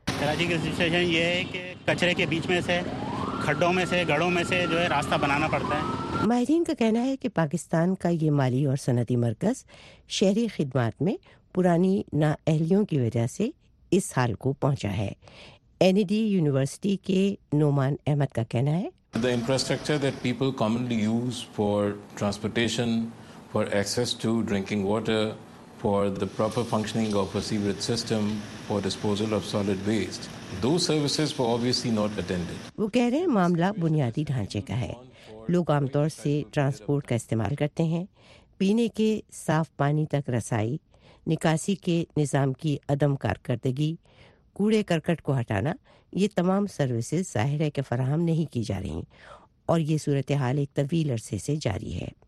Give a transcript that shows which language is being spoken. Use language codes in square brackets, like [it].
[ur] کراچی کی سچویشن یہ ہے کہ کچرے کے بیچ میں سے، کھڈوں میں سے، گڑھوں میں سے جو ہے راستہ بنانا پڑتا ہے۔ ماہرین کا کہنا ہے کہ پاکستان کا یہ مالی اور صنعتی مرکز شہری خدمات میں پرانی نااہلیوں کی وجہ سے اس حال کو پہنچا ہے. این ای ڈی یونیورسٹی کے نعمان احمد کا کہنا ہے [en] The infrastructure that people commonly use for transportation, for access to drinking water, for the proper functioning of a sewerage system, for disposal of solid waste, those services were obviously not attended. [ur] وہ کہہ رہے ہیں معاملہ بنیادی ڈھانچے کا ہے. لوگ عام طور سے ٹرانسپورٹ کا استعمال کرتے ہیں, پینے کے صاف پانی تک رسائی, نکاسی کے نظام کی عدم کارکردگی, کوڑے کرکٹ کو ہٹانا, یہ تمام سروسز ظاہر ہے کہ فراہم نہیں کی جا رہی اور یہ صورتحال ایک طویل عرصے سے جاری ہے.